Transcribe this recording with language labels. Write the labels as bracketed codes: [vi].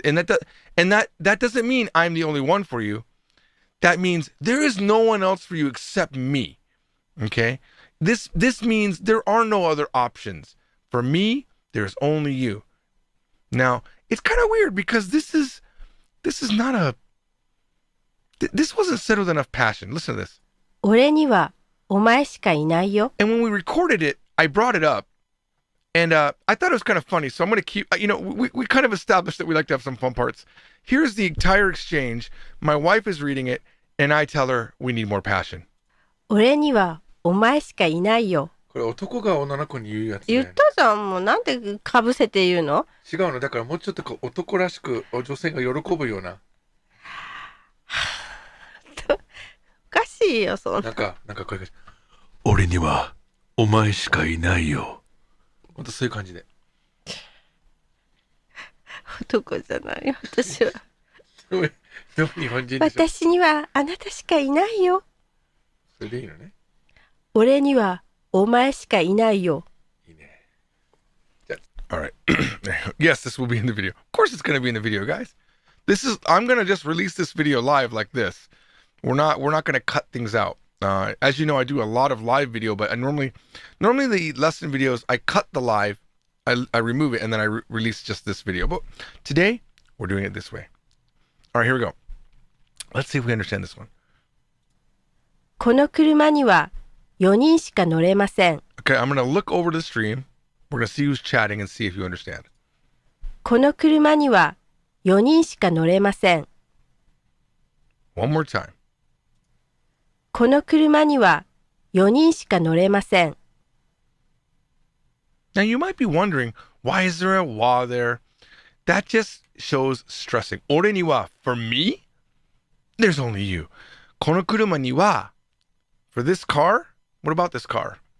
[en] And that doesn't mean I'm the only one for you. That means there is no one else for you except me. Okay? This means there are no other options. For me, there's only you. Now, it's kind of weird because this is not a... This wasn't said with enough passion. Listen to this. [ja] 俺にはお前しかいないよ. [en] And when we recorded it, I brought it up. And I thought it was kind of funny, so I'm going to keep... You know, we kind of established that we like to have some fun parts. Here's the entire exchange. My wife is reading it, and I tell her we need more passion. [ja] 俺にはお前しかいないよ。これ男が女の子に言うやつね。言ったじゃん、もうなんでかぶせて言うの？違うの、だからもうちょっと男らしく女性が喜ぶような。おかしいよ、そんな。なんか声が。俺にはお前しかいないよ。またそういう感じで男じゃない私はでも日本人でしょ私にはあなたしかいないよそれでいいのね俺にはお前しかいないよいいね [en] じゃあ Alright Yes, this will be in the video. Of course it's going to be in the video, guys. This is, I'm going to just release this video live like this. We're not going to cut things out. As you know, I do a lot of live video, but normally the lesson videos, I cut the live, I remove it, and then I release just this video. But today, we're doing it this way. All right, here we go. Let's see if we understand this one. [ja] この車には4人しか乗れません。 [en] Okay, I'm going to look over the stream. We're going to see who's chatting and see if you understand. [ja] この車には4人しか乗れません。 [en] One more time. [ja] この車には4人しか乗れません。 [en] Now you might be wondering, why is there a wa there? That just shows stressing. [ja] 俺には [en] for me? There's only you. [ja] この車には [en] for this car? What about this car?